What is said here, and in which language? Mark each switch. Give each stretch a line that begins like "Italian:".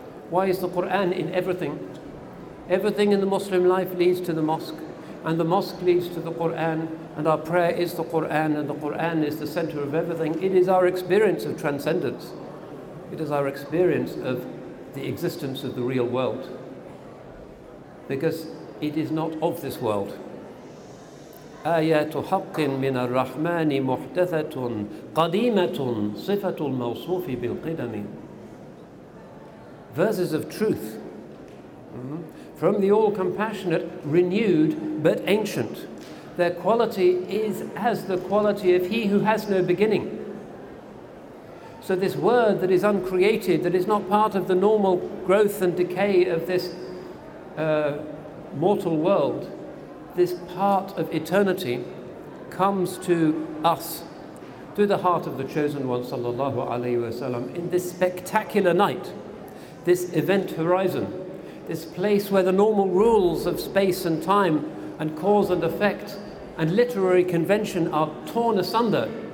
English: Why is the Qur'an in everything? Everything in the Muslim life leads to the mosque, and the mosque leads to the Qur'an, and our prayer is the Qur'an, and the Qur'an is the center of everything. It is our experience of transcendence. It is our experience of the existence of the real world, because it is not of this world.
Arabic: آيات حق من الرحمن محدثة قديمة صفة الموصوف بالقدم.
English: Verses of truth from the all-compassionate, renewed but ancient. Their quality is as the quality of he who has no beginning. So this word that is uncreated, that is not part of the normal growth and decay of this mortal world, this part of eternity comes to us through the heart of the Chosen One sallallahu alaihi wasallam in this spectacular night, this event horizon, this place where the normal rules of space and time and cause and effect and literary convention are torn asunder,